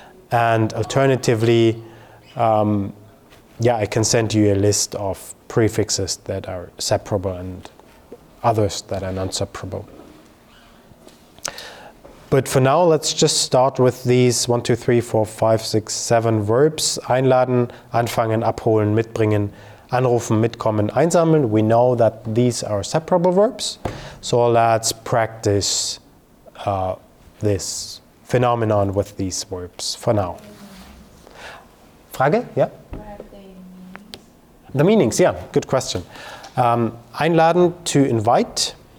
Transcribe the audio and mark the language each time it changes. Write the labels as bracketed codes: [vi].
[en] And alternatively, I can send you a list of prefixes that are separable and others that are non-separable. But for now, let's just start with these 1, 2, 3, 4, 5, 6, 7 verbs. [de] Einladen, anfangen, abholen, mitbringen, anrufen, mitkommen, einsammeln. [en] We know that these are separable verbs. So let's practice this phenomenon with these verbs for now. [de] Frage? [en] Yeah? The meanings, yeah, good question. Einladen, to invite.